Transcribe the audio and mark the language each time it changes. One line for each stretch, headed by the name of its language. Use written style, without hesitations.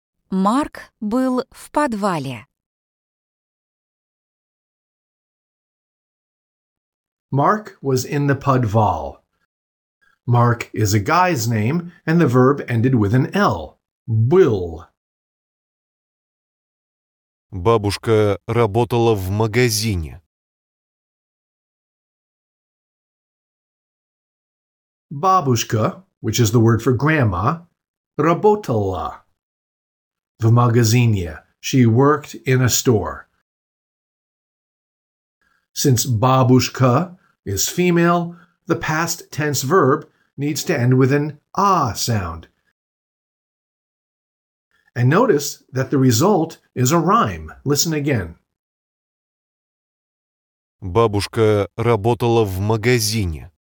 Russian: Марк был в подвале.
English: Mark was in the подвал. Mark is a guy's name, and the verb ended with an L.
Russian: Был. Бабушка работала в магазине.
English: Бабушка, which is the word for grandma,
Russian: работала в магазине.
English: She worked in a store. Since бабушка is female, the past tense verb needs to end with an а sound. And notice that the result is a rhyme. Listen again.
Russian: Бабушка работала в магазине.